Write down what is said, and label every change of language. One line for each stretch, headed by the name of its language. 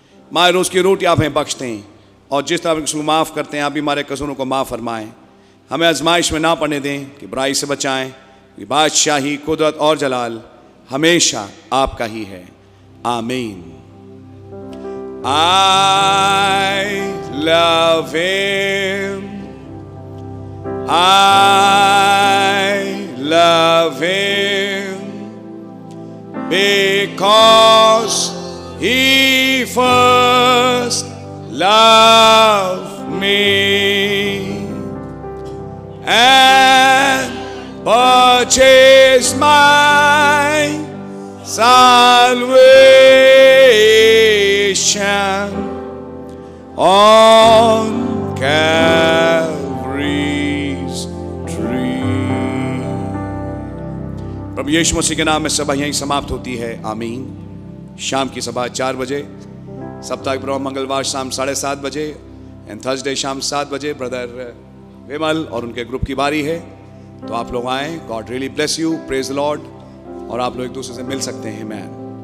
Hindi: हमारे रोज़ की रोटी आप हमें बख्शते हैं, और जिस तरह किसी को माफ़ करते हैं आप भी हमारे कसूरों को माफ़ फरमाएं। हमें आजमाइश में ना पड़ने दें कि बुराई से बचाएं। बादशाही, कुदरत और जलाल हमेशा आपका ही है, आमीन।
English: I love him, I love him, because He first loved me, and purchased my salvation on Calvary's tree.
Hindi: प्रभु यीशु मसीह के नाम में सभा यहीं समाप्त होती है, आमीन। शाम की सभा 4 बजे, सप्ताह के प्रथम मंगलवार शाम 7:30 बजे एंड थर्सडे शाम 7 बजे ब्रदर विमल और उनके ग्रुप की बारी है, तो आप लोग आएँ।
English: God really bless you, praise the lord,
Hindi: और आप लोग एक दूसरे से मिल सकते हैं। मैं